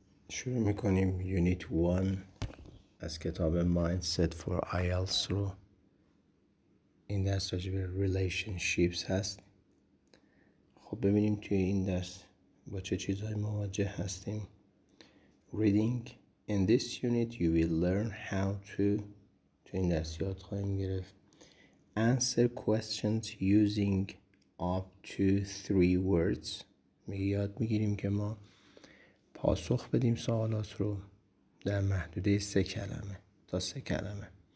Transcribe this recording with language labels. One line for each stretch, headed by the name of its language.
Persian: شروع میکنیم یونیت 1 از کتاب مایندست فور آیلتس رو. این دست راجع به ریلیشنشیپس هست. خب ببینیم توی این دست با چه چیزهای مواجه هستیم.
English: Reading. In this unit you will learn how to.
Persian: تو این دست یاد خواهیم گرفت.
English: Answer questions using up to 3 words.
Persian: یاد میگیریم که ما پاسخ بدیم سوالات رو در محدوده 3 کلمه تا 3 کلمه.